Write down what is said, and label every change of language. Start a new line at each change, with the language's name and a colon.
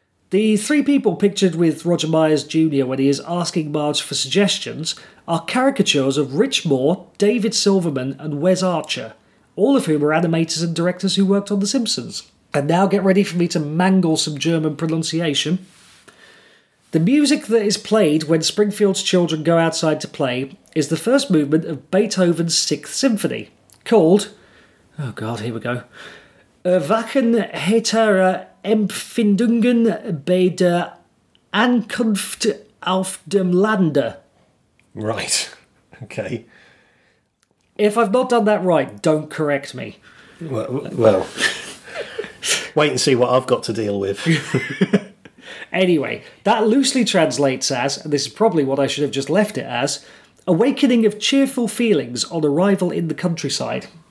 English: The three people pictured with Roger Myers Jr. when he is asking Marge for suggestions are caricatures of Rich Moore, David Silverman and Wes Archer, all of whom are animators and directors who worked on The Simpsons. And now get ready for me to mangle some German pronunciation. The music that is played when Springfield's children go outside to play is the first movement of Beethoven's Sixth Symphony, called... Oh God, here we go.
German: Erwachen heiterer Empfindungen bei der Ankunft auf dem Lande.
English: Right. Okay. If I've not done that right, don't correct me. Well, wait and see what I've got to deal with. Anyway, that loosely translates as, and this is probably what I should have just left it as, awakening of cheerful feelings on arrival in the countryside.